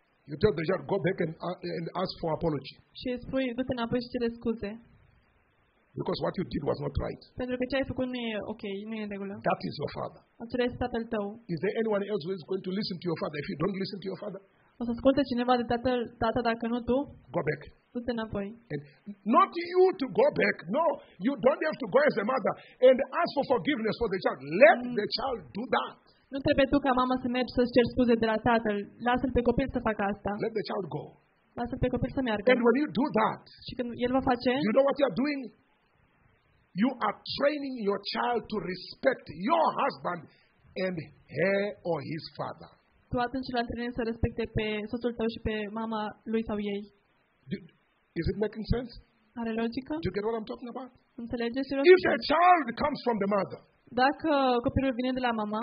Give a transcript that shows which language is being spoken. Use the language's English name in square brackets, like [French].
[English] You tell the child, go back and ask for apology. [Romanian] Și spui, du-te înapoi și cere scuze. [English] Because what you did was not right. [Romanian] Pentru că ce ai făcut nu e ok, nu e în regulă. [English] That is your father. [Romanian] Acela este tatăl tău. [English] Is there anyone else who is going to listen to your father if you don't listen to your father? [Romanian] O să asculte cineva de tată dacă nu tu? [English] Go back. [Romanian] Du-te înapoi. [English] And not you to go back. No, you don't have to go as a mother and ask for forgiveness for the child. Let the child do that. [Romanian] Nu trebuie tu ca mamă să mergi să-ți ceri scuze de la tatăl. Lasă-l pe copil să facă asta. [English] Let the child go. [Romanian] Lasă-l pe copil să meargă. [English] And when you do that, [Romanian] și când el va face, [English] you know what you are doing? You are training your child to respect your husband and her or his father. [Romanian] Tu atunci l-ai trainat să respecte pe soțul tău și pe mama lui sau ei. [English] Is it making sense? [Romanian] Are logică? [English] Do you get what I'm talking about? [Romanian] Înțelegeți? [English] If a child comes from the mother, [Romanian] dacă copilul vine de la mama